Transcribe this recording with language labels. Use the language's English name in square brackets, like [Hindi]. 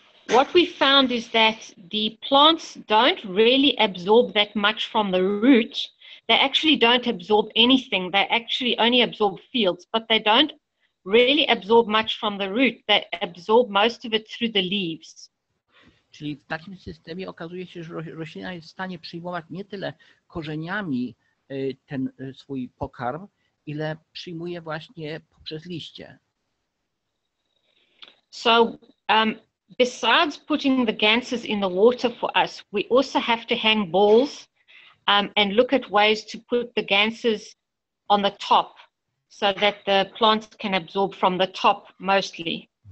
[English] What we found is that the plants don't really absorb that much from the root. They actually don't absorb anything. They actually only absorb fields, but they don't really absorb much from the root. They absorb most of it through the leaves. [Polish] Czyli w takim systemie okazuje się, że roślina jest w stanie przyjmować nie tyle korzeniami ten swój pokarm, ile przyjmuje właśnie poprzez liście. [English] So, besides putting the ganses in the water for us, we also have to hang balls and look at ways to put the ganses on the top so that the plants can absorb from the top mostly.